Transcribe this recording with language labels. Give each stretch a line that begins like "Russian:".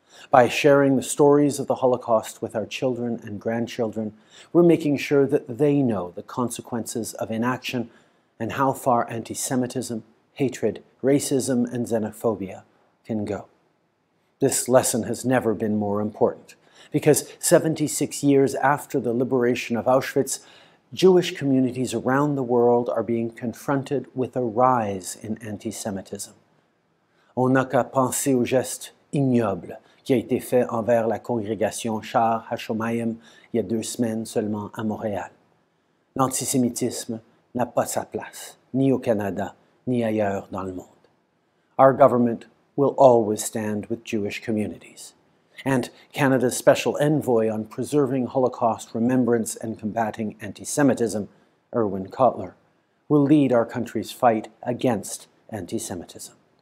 English: By sharing the stories of the Holocaust with our children and grandchildren, we're making sure that they know the consequences of inaction and how far anti-Semitism, hatred, racism, and xenophobia can go. This lesson has never been more important, because 76 years after the liberation of Auschwitz, Jewish communities around the world are being confronted with a rise in anti-Semitism.
French: On n'a qu'à penser au geste ignoble qui a été fait envers la congrégation Shaar HaShomayim il y a 2 semaines seulement à Montréal. L'antisémitisme n'a pas sa place, ni au Canada, ni ailleurs dans le monde.
English: Our government will always stand with Jewish communities. And Canada's Special Envoy on Preserving Holocaust Remembrance and Combating Anti-Semitism, Irwin Cotler, will lead our country's fight against anti-Semitism.